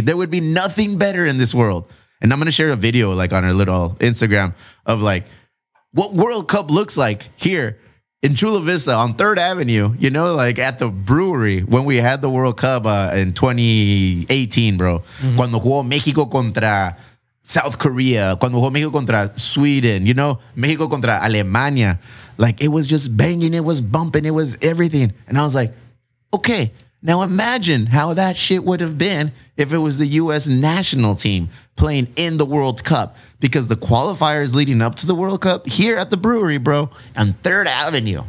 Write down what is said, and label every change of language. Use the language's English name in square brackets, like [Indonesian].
[English] There would be nothing better in this world. And I'm going to share a video like on our little Instagram of like what World Cup looks like here in Chula Vista on 3rd Avenue, you know, like at the brewery when we had the World Cup in 2018, bro. Mm-hmm. [Spanish] Cuando jugó México contra South Korea, cuando jugó México contra Sweden, you know, México contra Alemania. [English] Like it was just banging, it was bumping, it was everything. And I was like, okay, now imagine how that shit would have been if it was the U.S. national team playing in the World Cup, because the qualifiers leading up to the World Cup here at the brewery, bro, on 3rd Avenue.